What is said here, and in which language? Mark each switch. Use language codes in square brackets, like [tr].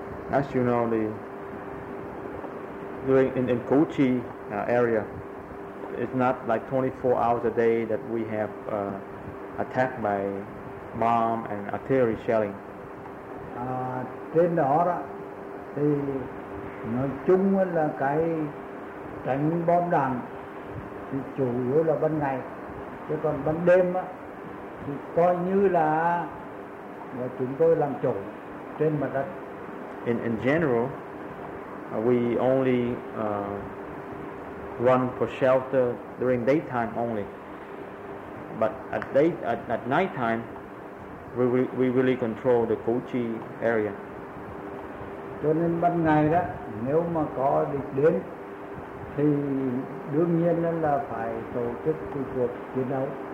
[en] As you know, the during in Củ Chi area, it's not like 24 hours a day that we have attacked by bomb and artillery shelling. [vi] Trên đó đó thì nói chung là cái tránh bom đạn thì chủ yếu là ban ngày, chứ còn ban đêm á thì coi như là chúng tôi làm chủ trên mặt đất. [en] In general, we only run for shelter during daytime only, but at night time we really control the Củ Chi area. [vi] Cho nên ban ngày đó nếu mà có địch đến thì đương nhiên là phải tổ chức cuộc chiến đấu.